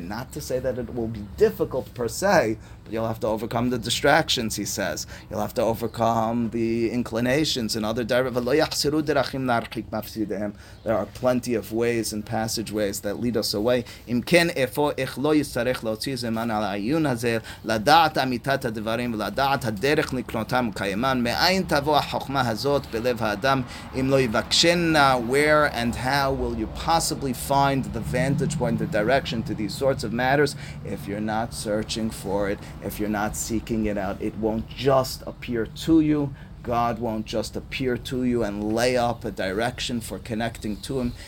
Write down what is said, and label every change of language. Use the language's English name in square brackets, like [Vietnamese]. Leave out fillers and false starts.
[English] Not to say that it will be difficult per se, but you'll have to overcome the distractions, he says. You'll have to overcome the inclinations and other [Hebrew] ולא יחסרו דרכים להרחיק מפסידיהם. [English] There are plenty of ways and passageways that lead us away. [Hebrew] אם כן איפה איך לא יצטרך להוציא זמן על העיון הזה, לדעת אמיתת הדברים ולדעת הדרך לקנותם קיימן, מאין תבוא החוכמה הזאת בלב האדם אם לא יבקשנה. [English] Where and how will you possibly find the vantage point, the direction to these sorts of matters if you're not searching for it, if you're not seeking it out? It won't just appear to you. God won't just appear to you and lay up a direction for connecting to him.